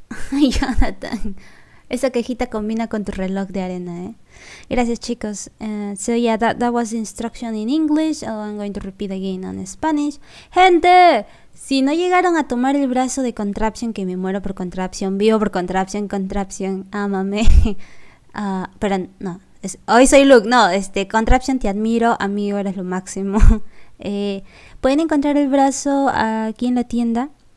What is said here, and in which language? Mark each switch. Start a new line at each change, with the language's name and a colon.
Spanish: Jonathan, esa quejita combina con tu reloj de arena, Gracias, chicos.
English: So yeah, that was instruction in English. Oh, I'm going to repeat again on Spanish.
Spanish: Gente, si no llegaron a tomar el brazo de Contraption, que me muero por Contraption, vivo por Contraption, Contraption, ámame. Pero no, hoy soy Luke. No, Contraption, te admiro, amigo, eres lo máximo. Pueden encontrar el brazo aquí en la tienda.